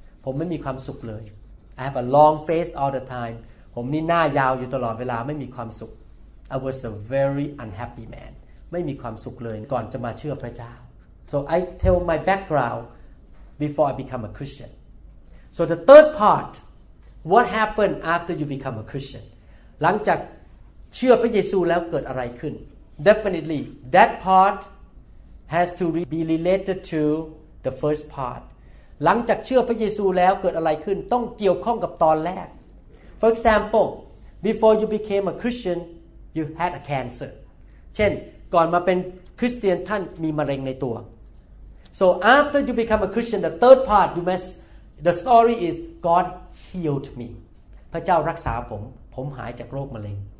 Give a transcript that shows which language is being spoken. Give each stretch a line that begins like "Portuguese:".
Thai: ผมไม่มีความสุขเลย
English: I have a long face all the time.
Thai: ผมมีหน้ายาวอยู่ตลอดเวลาไม่มีความสุข
English: I was a very unhappy man.
Thai: ไม่มีความสุขเลยก่อนจะมาเชื่อพระเจ้า
English: So I tell my background before I become a Christian. So the third part, what happened after you become a Christian?
Thai: หลังจากเชื่อพระเยซูแล้วเกิดอะไรขึ้น
English: Definitely that part has to be related to the first part
Thai: หลังจากเชื่อพระเยซูแล้วเกิดอะไรขึ้นต้องเกี่ยวข้องกับตอนแรก
English: For example before you became a Christian you had a cancer
Thai: เช่นก่อนมาเป็นคริสเตียนท่านมีมะเร็งในตัว
English: So after you become a Christian the third part you must the story is God healed me
Thai: พระเจ้ารักษาผมผมหายจากโรคมะเร็ง